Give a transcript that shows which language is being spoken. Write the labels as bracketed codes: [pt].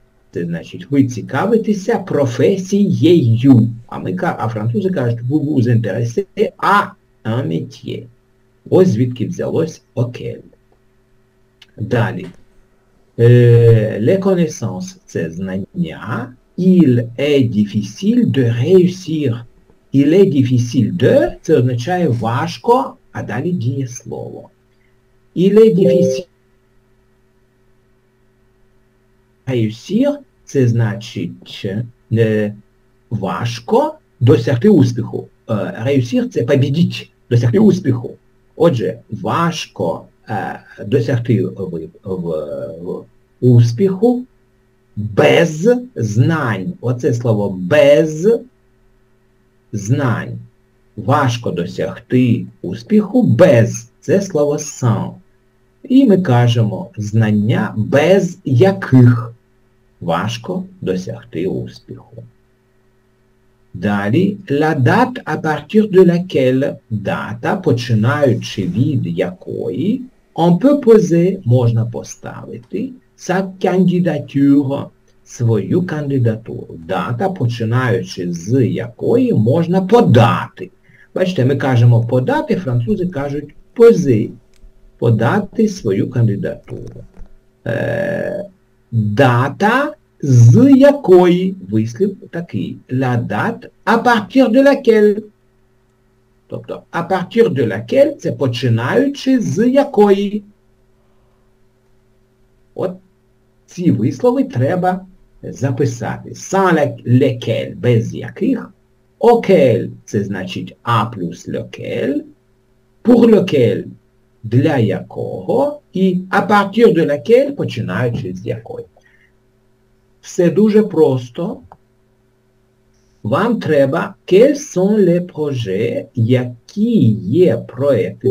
[uk] Це значить, ви цікавитеся професією. А французи кажуть, [fr] vous vous intéressez à un métier. [uk] Ось звідки взялось auquel. Далі. [fr] Les connaissances, c'est [uk] знання. [fr] Il est difficile de réussir. Il est difficile de, [uk] це означає важко, а далі дієслово. [fr] Il est difficile réussir, [uk] це значить важко досягти успіху. Réussir, це побідіть, досягти успіху. Отже, важко досягти в успіху без знань. Оце слово без знань. Важко досягти успіху без. Це слово сам. І ми кажемо знання без яких важко досягти успіху. Далі. [fr] La date à partir de laquelle, [uk] дата, починаючи від якої, [fr] on peut poser, [uk] можна поставити, [fr] sa candidature, [uk] свою кандидатуру. Дата, починаючи з якої, можна подати. Бачите, ми кажемо подати, французи кажуть poser, подати свою кандидатуру. Дата, з якої, вислів такий, [fr] la date, à partir de laquelle. [uk] Тобто, [fr] à partir de laquelle, [uk] це починаючи з якої. От ці вислови треба записати. [fr] Sans lesquels, [uk] без яких. Auquel, це значить à plus lequel. Pour lequel, для якого. І [fr] à partir de laquelle, [uk] починаючи з якої. Все дуже просто. Вам треба, [fr] quels sont les projets, [uk] які є проекти.